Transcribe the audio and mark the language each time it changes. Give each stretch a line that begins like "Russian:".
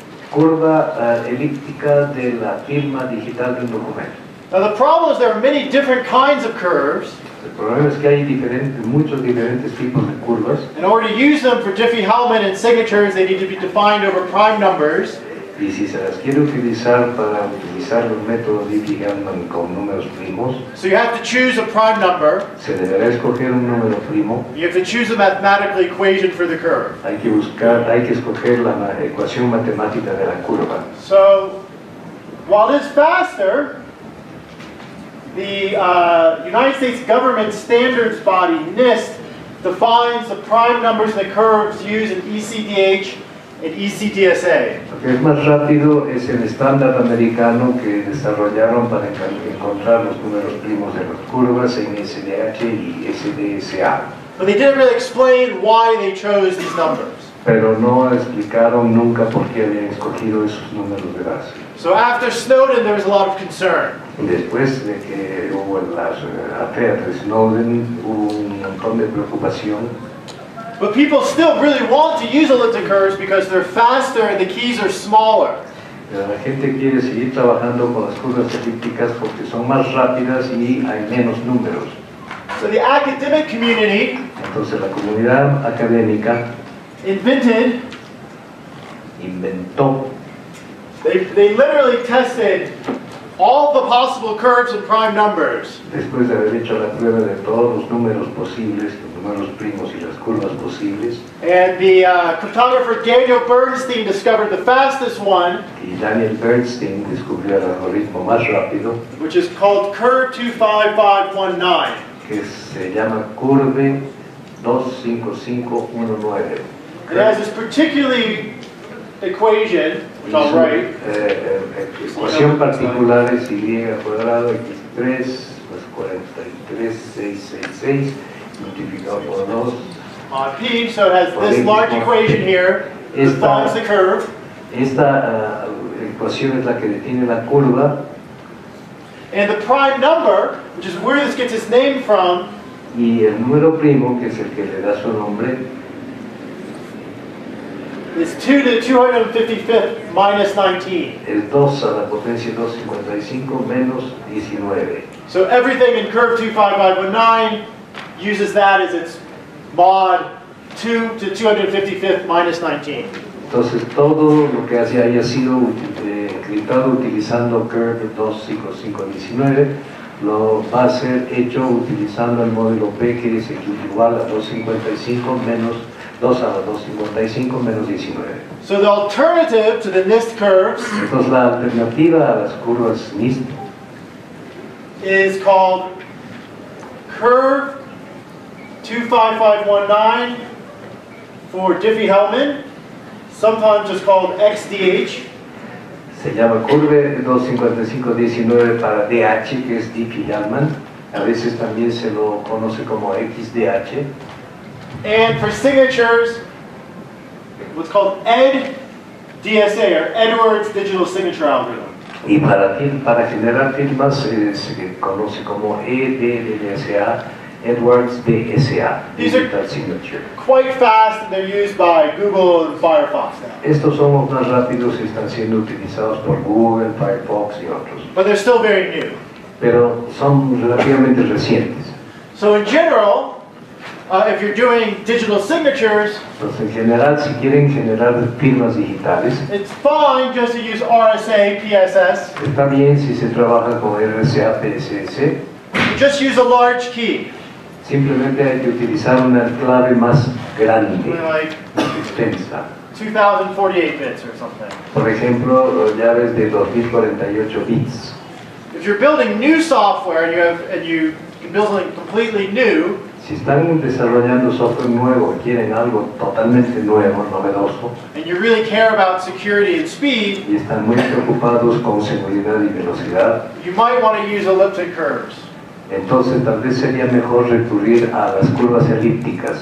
Spanish: Curva elíptica de la firma digital de un documento.
English: Now the problem is there are many different kinds of curves.
Spanish: El problema es que hay muchos diferentes tipos de curvas.
English: In order to use them for Diffie-Hellman and signatures, they need to be defined over prime numbers.
Spanish: Y si se las quiere utilizar para utilizar los métodos Diffie-Hellman con números primos.
English: So you have to choose a prime number.
Spanish: Se deberá escoger un número primo.
English: You have to choose a mathematical equation for the curve.
Spanish: Hay que escoger la ecuación matemática de la curva.
English: So, while it's faster. The United States government standards body, NIST, defines the prime numbers and the curves used in ECDH and ECDSA.
Spanish: Lo que es más rápido es el estándar americano que desarrollaron para encontrar los números primos de las curvas en ECDH y ECDSA.
English: But they didn't really explain why they chose these numbers.
Spanish: Pero no explicaron nunca por qué habían escogido esos números de base.
English: So after Snowden, there was a lot of concern.
Spanish: Después de que hubo las aferas de Snowden, hubo un montón de preocupación.
English: But people still really want to use elliptic curves because they're faster and the keys are smaller.
Spanish: Pero la gente quiere seguir trabajando con las curvas elípticas porque son más rápidas y hay menos números.
English: So the academic community.
Spanish: Entonces la comunidad académica.
English: Invented.
Spanish: Inventó.
English: They literally tested all the possible curves and prime numbers.
Spanish: Después de haber hecho la prueba de todos los números posibles, los números primos y las curvas posibles.
English: And the cryptographer Daniel Bernstein discovered the fastest one.
Spanish: Y Daniel Bernstein descubrió el algoritmo más rápido.
English: Which is called Curve 25519.
Spanish: Que se llama Curve 25519.
English: It has this particularly equation.
Spanish: Ecuación particular es y al cuadrado x3 más 43666 multiplicado por 2.
English: On P, so it has this large equation here.
Spanish: Esta,
English: defines the curve.
Spanish: Esta ecuación es la que define la curva.
English: And the prime number, which is where this gets its name from.
Spanish: Y el número primo, que es el que le da su nombre.
English: Is 2 to the 255th minus 19.
Spanish: Es 2 a la potencia 255 menos 19.
English: So everything in curve 25519 uses that as its mod 2 to the 255th minus 19.
Spanish: Entonces todo lo que haya sido encriptado utilizando curve 25519 lo va a ser hecho utilizando el módulo P que es igual a 255 menos 2 a la 255 menos 19.
English: So the alternative to the NIST curves.
Spanish: Entonces la alternativa a las curvas NIST
English: is called curve 25519 for Diffie-Hellman, sometimes just called XDH.
Spanish: Se llama curve 25519 para DH, que es Diffie-Hellman. A veces también se lo conoce como XDH.
English: And for signatures, what's called ED DSA, or Edwards Digital Signature Algorithm.
Spanish: Y para generar firmas se conoce como ED DSA, Edwards DSA, Digital Signature.
English: Quite fast, and they're used by Google and Firefox now.
Spanish: Estos son los más rápidos y están siendo utilizados por Google, Firefox y otros.
English: But they're still very new.
Spanish: Pero son relativamente recientes.
English: So in general, if you're doing digital signatures,
Spanish: pues en general, si quieren generar firmas digitales,
English: it's fine just to use RSA, PSS.
Spanish: Está bien si se trabaja con RSA, PSS.
English: Just use a large key.
Spanish: Simplemente hay que utilizar una clave más grande,
English: like
Spanish: más extensa.
English: 2048 bits or something.
Spanish: Por ejemplo, llaves de 2048 bits.
English: If you're building new software and you're building completely new,
Spanish: si están desarrollando software nuevo y quieren algo totalmente nuevo, novedoso,
English: and you really care about security and speed,
Spanish: y están muy preocupados con seguridad y velocidad,
English: you might want to use elliptic curves.
Spanish: Entonces tal vez sería mejor recurrir a las curvas elípticas.